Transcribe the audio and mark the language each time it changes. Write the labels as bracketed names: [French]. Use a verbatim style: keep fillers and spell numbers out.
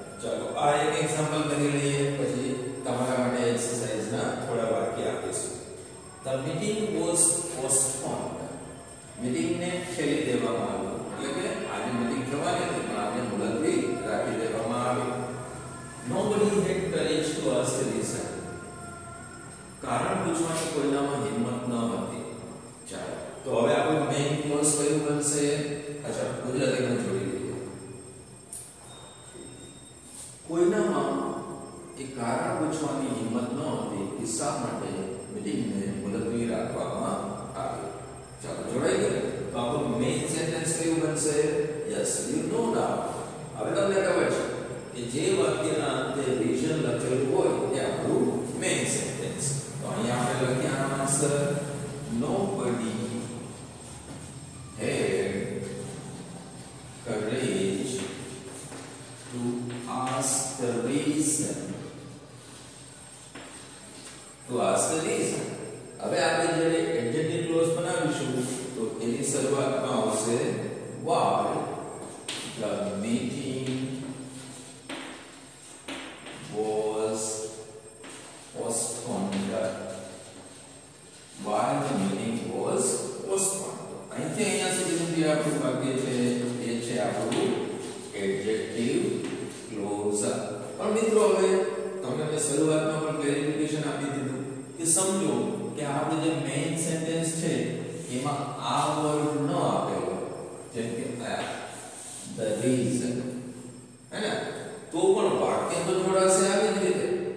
[Gujarati] ચાલો આ એક એક્ઝામ્પલ કરી લઈએ પછી તમારા માટે એક્સરસાઇઝના થોડા વાક્ય આપીશું. [English] The meeting was postponed. [Gujarati] મીટિંગને ઠેલી દેવામાં આવ્યું. એટલે કે આજે મીટિંગ થવાની હતી પણ આજે મુલતવી રાખી દેવામાં આવી. [English] Nobody had courage to ask the reason. [Gujarati] કારણ પૂછવાની કોઈનામાં હિંમત ન હતી. ચાલો તો હવે આપણો મેઇન ક્લોઝ કયું બનશે? અચ્છા, ગુજરાતીમાં જોડી લઈએ. કોઈનામાં એ કારણ પૂછવાની હિંમત ન હતી કે શા માટે મીટિંગને મુલતવી રાખવામાં આવી. ચાલો જોડાઈ ગયું. તો આપણું મેઇન સેન્ટેન્સ કયું બનશે? યસ, [English] You know now. [Gujarati] હવે તમને ખબર છે કે જે વાક્યના અંતે રીઝન લખેલું હોય તે આપણું મેઇન સેન્ટેન્સ. તો અહીંયા આપણે લખ્યા answer [English] nobody had courage to ask the reason. To ask the reason. [Gujarati] હવે આપણે જ્યારે એડજેક્ટિવ ક્લોઝ બનાવીશું તો એની શરૂઆતમાં આવશે [English] why the meeting was postponed. Why the meeting was postponed. [Gujarati] અહીંથી અહીંયા સુધી જે આપણું વાક્ય છે એ છે આપણું એડજેક્ટિવ ક્લોઝ. પણ મિત્રો હવે તમને મેં શરૂઆતમાં પણ ક્લેરિફિકેશન આપી દીધું કે સમજો કે આપણે જે મેઇન સેન્ટેન્સ છે એમાં આ વર્ડ ન આપેલો, જેમ કે the reason, હે ને, તો પણ વાક્ય તો જોડાશે આવી જ રીતે.